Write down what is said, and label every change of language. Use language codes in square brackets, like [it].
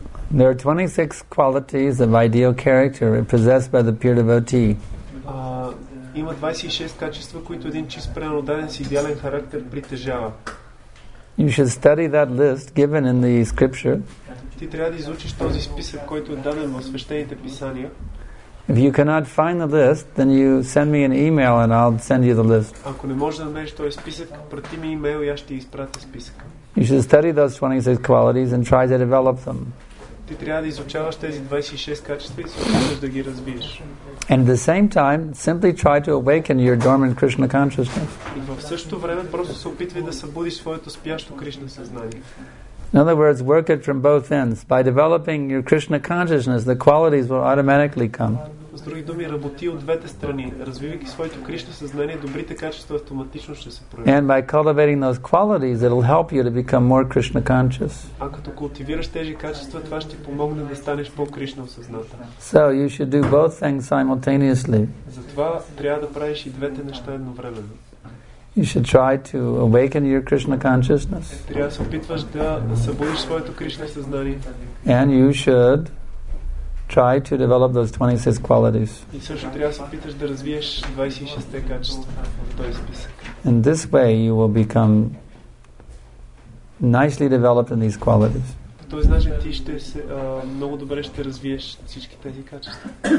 [en] There are 26 qualities of ideal character possessed by the pure devotee. [bg] Има 26 качества, които един чист преданен с идеален характер притежава. [en] You should study that list given in the scripture. [bg] Ти трябва да изучиш този списък, който е даден в свещените писания. [en] If you cannot find the list, then you send me an email and I'll send you the list. [bg] Ако не можеш да намериш този списък, прати ми имейл и аз ще изпратя списъка. [en] You should study those 26 qualities and try to develop them. [bg] Ти трябва да изучаваш тези 26 качества и се опитваш да ги развиеш. [en] And at the same time, simply try to awaken your dormant Krishna consciousness. [bg] И в същото време просто се опитвай да събудиш своето спящо Кришна съзнание. [en] In other words, work it from both ends. By developing your Krishna consciousness, the qualities will automatically come. [bg] С други думи, работи от двете страни. Развивайки своето Кришна съзнание, добрите качества автоматично ще се проявят. [en] And by cultivating those qualities, it'll help you to become more Krishna conscious. [bg] А като култивираш тези качества, това ще ти помогне да станеш по-Кришна осъзната. [en] So you should do both things simultaneously. [bg] Затова трябва да правиш и двете неща едновременно. [en] You should try to awaken your Krishna consciousness. [bg] Трябва да се опитваш да събудиш своето Кришна съзнание. [en] And you should try to develop those 26 qualities. [bg] И също трябва да се опитваш да развиеш 26-те качества в този списък. [en] In this way you will become nicely developed in these qualities. [bg] По този начин ти ще се много добре ще развиеш всички тези качества.